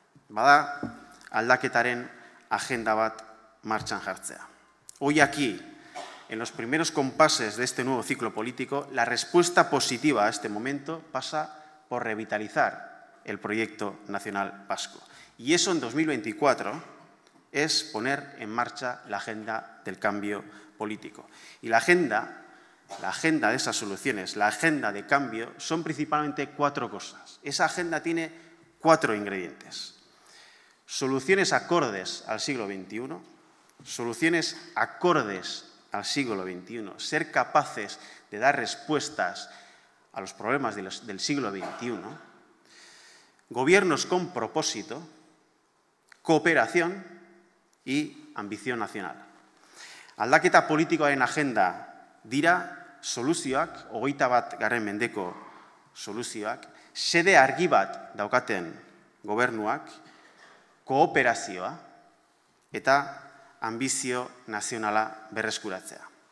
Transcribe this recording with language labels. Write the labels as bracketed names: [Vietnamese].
[Basque] Bada, aldaketaren agenda bat martxan jartzea. [Spanish] Hoy aquí, en los primeros compases de este nuevo ciclo político, la respuesta positiva a este momento pasa por revitalizar el proyecto nacional vasco. Y eso en 2024 es poner en marcha la agenda del cambio político. Y la agenda de esas soluciones, la agenda de cambio, son principalmente cuatro cosas. Esa agenda tiene cuatro ingredientes. Soluciones acordes al siglo XXI, ser capaces de dar respuestas a los problemas del siglo XXI, gobiernos con propósito, cooperación y ambición nacional. [Basque] Aldaketa politikoaren agenda dira soluzioak, 21. mendeko soluzioak, xede argi bat daukaten gobernuak, kooperazioa eta ambizio nazionala berreskuratzea.